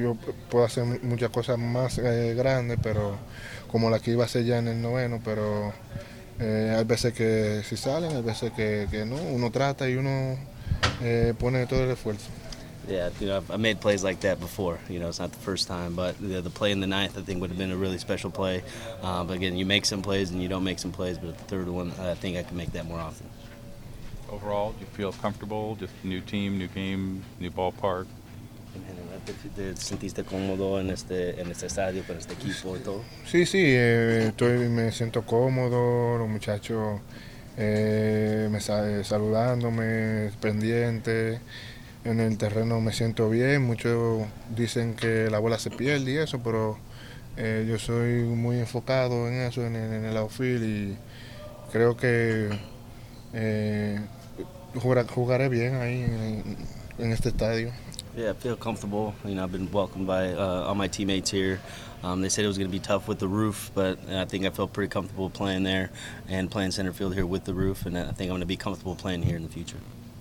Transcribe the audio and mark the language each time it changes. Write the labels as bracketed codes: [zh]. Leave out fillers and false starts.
[es] Yo puedo hacer muchas cosas más grandes, pero como la que iba a hacer ya en el noveno, pero hay veces que sí salen, hay veces que no. Uno trata y uno pone todo el esfuerzo. [en] Yeah, you know, I made plays like that before. You know, it's not the first time, but the play in the ninth, I think, would have been a really special play. But again, you make some plays and you don't make some plays, but the third one, I think I can make that more often. Overall, do you feel comfortable? Just new team, new game, new ballpark. [es] ¿Te sentiste cómodo en este estadio con este equipo y todo? Sí, sí. Me siento cómodo. Los muchachos me saludándome, pendiente. En el terreno me siento bien. Muchos dicen que la bola se pierde y eso, pero yo soy muy enfocado en eso, en el outfield, y creo que jugaré bien ahí en este estadio. [en] Yeah, I feel comfortable. You know, I've been welcomed by all my teammates here. They said it was going to be tough with the roof, but I think I feel pretty comfortable playing there and playing center field here with the roof, and I think I'm going to be comfortable playing here in the future.